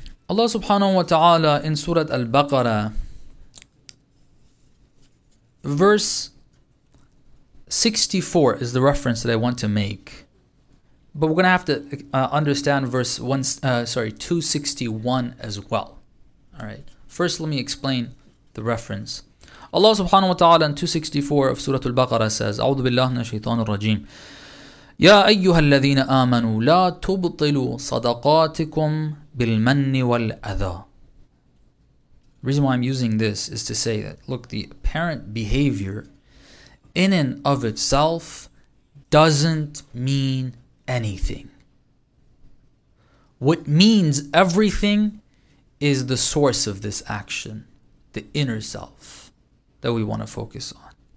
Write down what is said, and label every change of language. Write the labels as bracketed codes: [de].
[en] Allah subhanahu wa ta'ala in Surah Al-Baqarah, verse 64 is the reference that I want to make. But we're going to have to understand verse 1, 261 as well. All right. First, let me explain the reference. Allah subhanahu wa ta'ala in 264 of Surah Al-Baqarah says, [ar] أعوذ بالله من الشيطان الرجيم يا أيها الذين آمنوا لا تبطلوا صدقاتكم بالمن والأذى. [en] The reason why I'm using this is to say that, look, the apparent behavior in and of itself doesn't mean anything. What means everything is the source of this action, the inner self that we want to focus on.